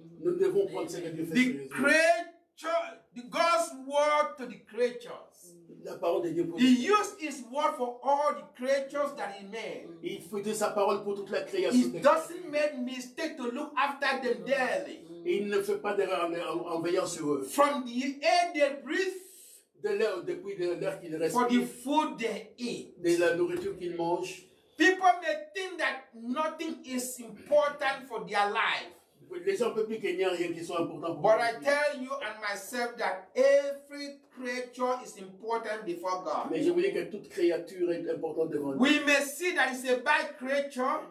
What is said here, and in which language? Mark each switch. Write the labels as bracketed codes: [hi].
[en] The creature, God's word to the creatures. He used his word for all the creatures that he made. He doesn't make mistake to look after them daily. [fr] Il ne fait pas d'erreur en veillant sur eux. [en] From the air they breathe. [fr] De l'air, depuis de l'air qu'ils respirent. [en] For the food they eat. [fr] De la nourriture qu'ils mangent. [en] People may think that nothing is important for their life. [fr] Les gens peuvent dire qu'il n'y a rien qui soit important pour [en] but I tell you and myself that every creature is important before God. [fr] Mais je vous dis que toute créature est importante devant Dieu. [en] We may see that it's a bad creature.